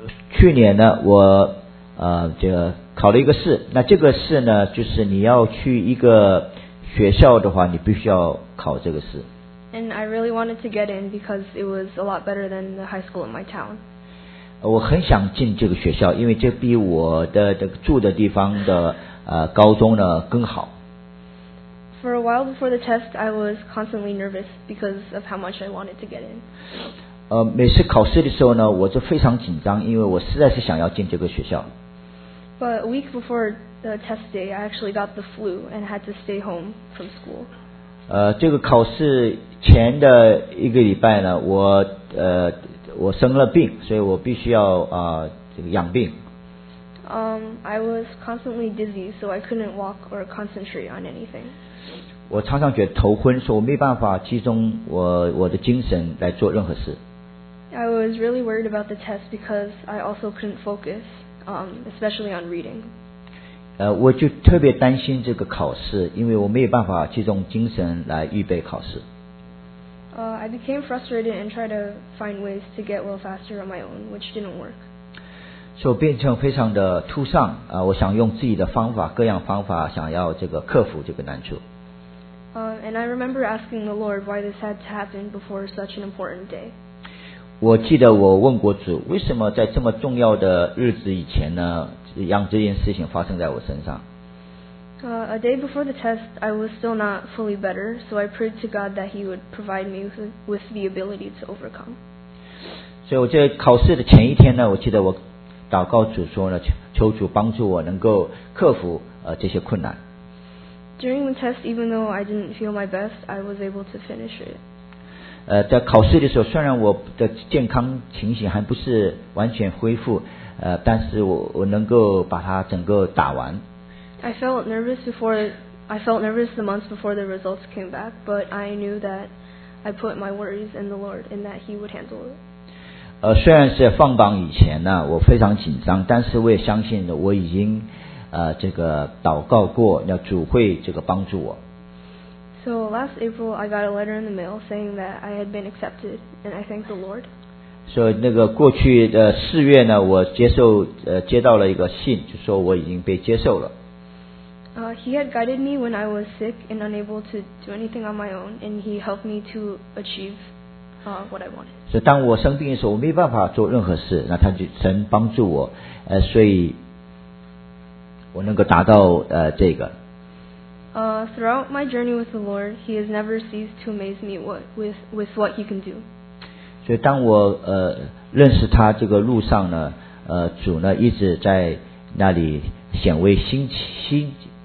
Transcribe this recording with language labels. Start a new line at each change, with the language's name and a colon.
Chinese: 去年呢，我这个考了一个试。那这个试呢，就是你要去一个学校的话，你必须要考这个试。
English: And I really wanted to get in because it was a lot better than the high school in my town.
Chinese: 我很想进这个学校，因为这比我的这个住的地方的高中呢更好。
English: For a while before the test, I was constantly nervous because of how much I wanted to get in.
Chinese: 每次考试的时候呢，我就非常紧张，因为我实在是想要进这个学校。
English: But a week before the test day, I actually got the flu and had to stay home from school.
Chinese: 这个考试前的一个礼拜呢，我生了病，所以我必须要这个养病。
English: I was constantly dizzy, so I couldn't walk or concentrate on anything.
Chinese: 我常常觉得头昏，所以我没办法集中我的精神来做任何事。
English: I was really worried about the test because I also couldn't focus, especially on reading.
Chinese: 我就特别担心这个考试，因为我没有办法集中精神来预备考试。
English: I became frustrated and tried to find ways to get well faster on my own, which didn't work.
Chinese: 所以变成非常的突上，我想用自己的方法，各样方法想要这个克服这个难处。
English: And I remember asking the Lord why this had to happen before such an important day.
Chinese: 我记得我问过主，为什么在这么重要的日子以前呢，让这件事情发生在我身上？
English: A day before the test, I was still not fully better, so I prayed to God that He would provide me with the ability to overcome.
Chinese: 所以我在考试的前一天呢，我记得我祷告主说呢，求主帮助我能够克服这些困难。
English: During the test, even though I didn't feel my best, I was able to finish it.
Chinese: 在考试的时候，虽然我的健康情形还不是完全恢复，但是 我能够把它整个打完。
English: I felt nervous before. I felt nervous the months before the results came back, but I knew that I put my worries in the Lord and that He would handle it.
Chinese: 虽然是放榜以前呢，我非常紧张，但是我也相信我已经这个祷告过，要主会这个帮助我。
English: So last April, I got a letter in the mail saying that I had been accepted, and I thanked the Lord.
Chinese: 所以那个过去的四月呢，我接到了一个信，就说我已经被接受了。
English: He had guided me when I was sick and unable to do anything on my own, and he helped me to achieve what I wanted.
Chinese: 所以当我生病的时候，我没办法做任何事，那他就神帮助我，所以我能够达到这个。
English: Throughout my journey with the Lord, He has never ceased to amaze me with what He can do.
Chinese: 所以当我认识他这个路上呢，主呢一直在那里显为稀奇。